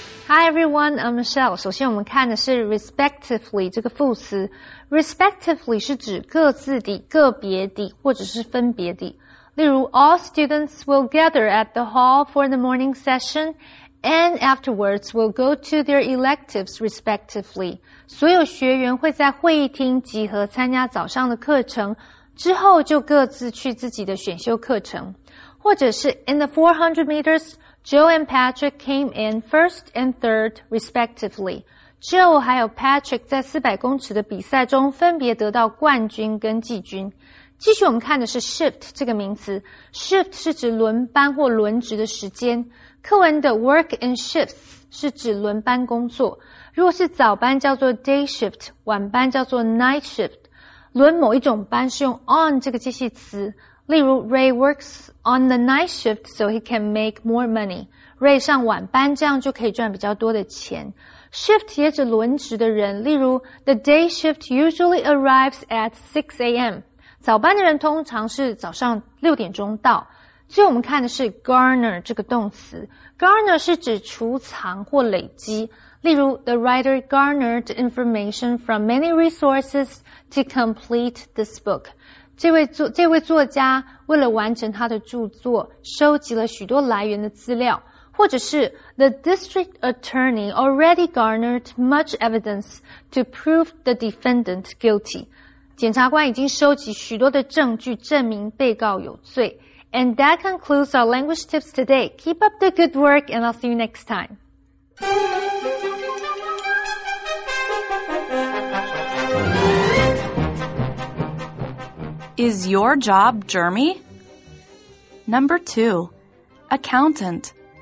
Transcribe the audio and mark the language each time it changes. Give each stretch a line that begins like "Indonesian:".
English: Hi everyone, I'm Michelle.
Chinese: 首先我们看的是 respectively 这个副词。 Respectively 是指各自的、个别的或者是分别的。例如
English: all students will gather at the hall for the morning session and afterwards will go to their electives respectively.
Chinese: 所有学员会在会议厅集合参加早上的课程，之后就各自去自己的选修课程。或者是
English: in the 400 meters, Joe and Patrick came in first and third respectively.
Chinese: Joe 还有 Patrick 在400公尺的比赛中分别得到冠军跟季军。继续我们看的是 shift 这个名词。shift 是指轮班或轮值的时间，课文的 work in shifts 是指轮班工作，如果是早班叫做 day shift， 晚班叫做 night shift。轮某一种班是用 on 这个介系词，例如
English: Ray works on the night shift so he can make more money，
Chinese: Ray 上晚班这样就可以赚比较多的钱。
English: Shift
Chinese: 也指轮值的人，例如
English: the day shift usually arrives at 6 a.m.
Chinese: 早班的人通常是早上六点钟到。最后我们看的是 garner 这个动词。garner 是指储藏或累积。例如
English: ,the writer garnered information from many resources to complete this book.
Chinese: 这位作家为了完成他的著作收集了许多来源的资料。或者是
English: ,the district attorney already garnered much evidence to prove the defendant guilty.
Chinese: 检察官已经收集许多的证据证明被告有罪。
English: And that concludes our language tips today. Keep up the good work and I'll see you next time. Is your job germy? Number 2. Accountant.